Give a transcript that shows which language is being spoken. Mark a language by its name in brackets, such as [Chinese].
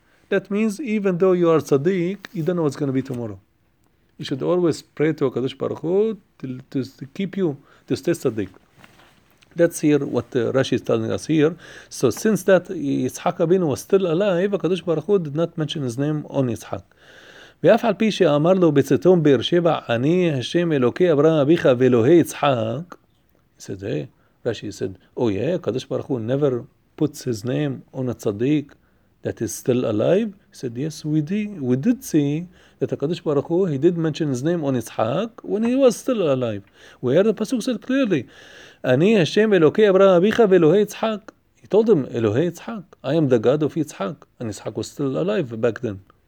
[English] That means even though you are tzaddik, you don't know what's going to be tomorrow. You should always pray to HaKadosh Baruch Hu to keep you, to stay tzaddik. That's here what Rashi is telling us here. So since that Yitzhak Abinu was still alive, HaKadosh Baruch Hu did not mention his name on Yitzhak. [Hebrew] ואף על פי שאמר לו בצאתום באר שבע, אני השם אלוקי אברהם אביך ואלוהי יצחק, [English] he said, hey, Rashi said, oh yeah, HaKadosh Baruch Hu never puts his name on a tzaddik that is still alive? He said, yes, we did see that HaKadosh Baruch Hu, he did mention his name on Yitzhak when he was still alive. We heard the Pasuk said clearly, [Hebrew] Ani Hashem Elokei Abraham Abicha Velohei Yitzhak. [English] He told him, Elohei Yitzhak, I am the God of Yitzhak. And Yitzhak was still alive back then.